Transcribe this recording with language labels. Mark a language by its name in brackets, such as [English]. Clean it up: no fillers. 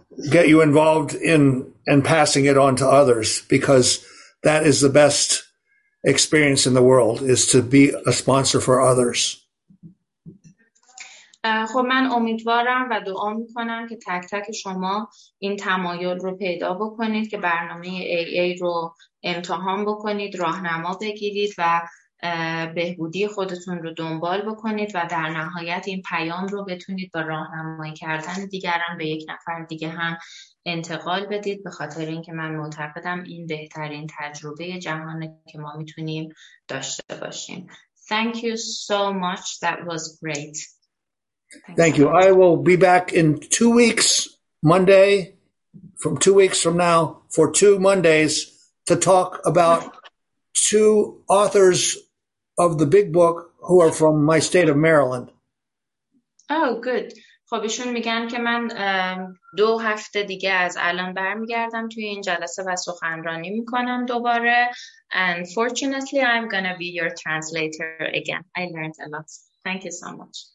[English] Get you involved in and in passing it on to others, because that is the best experience in the world, is to be a sponsor for others. [Persian] خب من امیدوارم و دعا میکنم که تک تک شما این تمایل رو پیدا بکنید که برنامه AA رو امتحان بکنید، راهنما بگیرید و بهبودی خودتون رو دنبال بکنید و در نهایت این پیام رو بتونید با راهنمایی کردن دیگران به یک نفر دیگه هم انتقال بدید، به خاطر اینکه من معتقدم این بهترین تجربه جهانه که ما میتونیم داشته باشیم. [English] Thank you so much. That was great. Thank you. I will be back in 2 weeks, Monday, from 2 weeks from now, for 2 Mondays to talk about 2 authors of the big book who are from my state of Maryland. Oh, good. [Persian] خب ایشون میگن که من 2 هفته دیگه از الان برمیگردم توی این جلسه و سخنرانی میکنم دوباره. [English] And fortunately, I'm going to be your translator again. I learned a lot. Thank you so much.